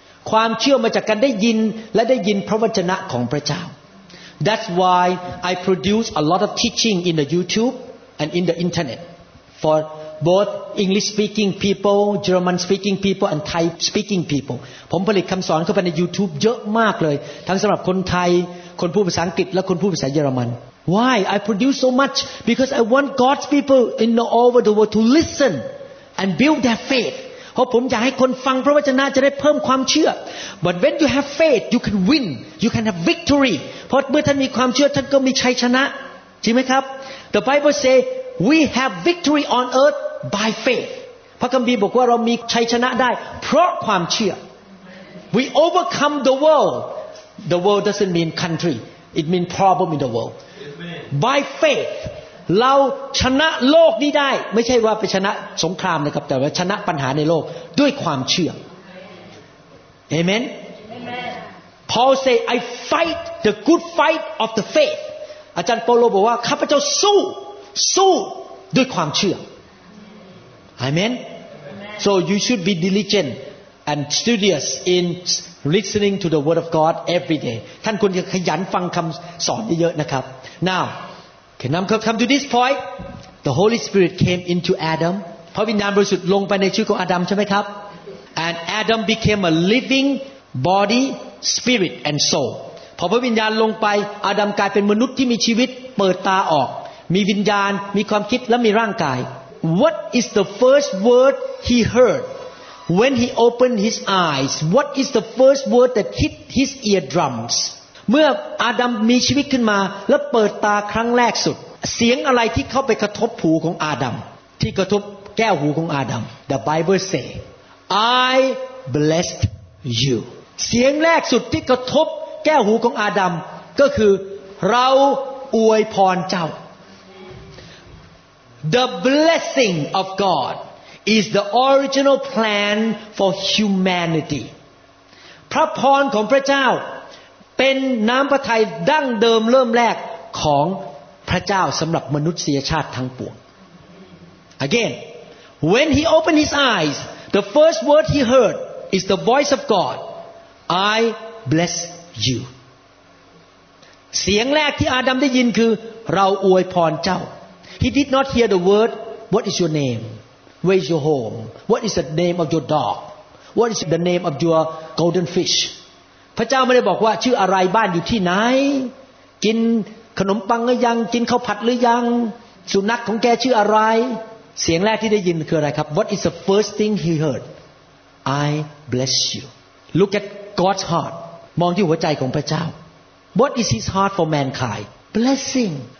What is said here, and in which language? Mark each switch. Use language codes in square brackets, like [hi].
[th] ความเชื่อมาจากการได้ยินและได้ยินพระวจนะของพระเจ้า [en] That's why I produce a lot of teaching in the YouTube and in the internet for both English speaking people, German speaking people and Thai speaking people. [th] ผมผลิตคำสอนเข้าไปใน YouTube เยอะมากเลยทั้งสำหรับคนไทยคนพูดภาษาอังกฤษและคนพูดภาษาเยอรมัน [en] Why I produce so much? Because I want God's people in all over the world to listen and build their faith. [th] เพราะผมอยากให้คนฟังพระวจนะจะได้เพิ่มความเชื่อ [en] But when you have faith, you can win. You can have victory. [th] เพราะเมื่อท่านมีความเชื่อท่านก็มีชัยชนะจริงไหมครับ [en] The Bible says we have victory on earth by faith [th] พระคัมภีร์บอกว่าเรามีชัยชนะได้เพราะความเชื่อ [en] We overcome the world doesn't mean country it means problem in the world by faith [th] เราชนะโลกนี้ได้ไม่ใช่ว่าไปชนะสงครามนะครับแต่ว่าชนะปัญหาในโลกด้วยความเชื่อ [en] AmenPaul say, I fight the good fight of the faith. [th] อาจารย์เปาโลบอกว่าข้าพเจ้าสู้ด้วยความเชื่อ Amen. [en] So you should be diligent and studious in listening to the word of God every day. [th] ท่านควรจะขยันฟังคำสอนเยอะๆนะครับ [en] Now, can I come to this point? The Holy Spirit came into Adam. [th] พระวิญญาณบริสุทธิ์ลงไปในชีวิตของอาดัมใช่ไหมครับ [en] And Adam became a living body. Spirit and soul. [th] พอพระวิญญาณลงไปอาดัมกลายเป็นมนุษย์ที่มีชีวิตเปิดตาออกมีวิญญาณมีความคิดและมีร่างกาย [en] What is the first word he heard when he opened his eyes? What is the first word that hit his eardrums? [th] เมื่ออาดัมมีชีวิตขึ้นมาและเปิดตาครั้งแรกสุดเสียงอะไรที่เข้าไปกระทบหูของอาดัมที่กระทบแก้วหูของอาดัม [en] The Bible say, I blessed you. [th] เสียงแรกสุดที่กระทบแก้วหูของอาดัมก็คือเราอวยพรเจ้า [en] The blessing of God is the original plan for humanity [th] พระพรของพระเจ้าเป็นน้ำพระทัยดั้งเดิมเริ่มแรกของพระเจ้าสำหรับมนุษยชาติทั้งปวง [en] Again when he opened his eyes the first word he heard is the voice of GodI bless you. [th] เสียงแรกที่อาดัมได้ยินคือเราอวยพรเจ้า [en] He did not hear the word, What is your name? Where is your home? What is the name of your dog? What is the name of your golden fish? [th] พระเจ้าไม่ได้บอกว่าชื่ออะไรบ้านอยู่ที่ไหนกินขนมปังหรือยังกินข้าวผัดหรือยังสุนัขของแกชื่ออะไรเสียงแรกที่ได้ยินคืออะไรครับ [en] What is the first thing he heard? I bless you. Look atGod's heart [th] มองที่หัวใจของพระเจ้า [en] What is his heart for mankind? Blessing.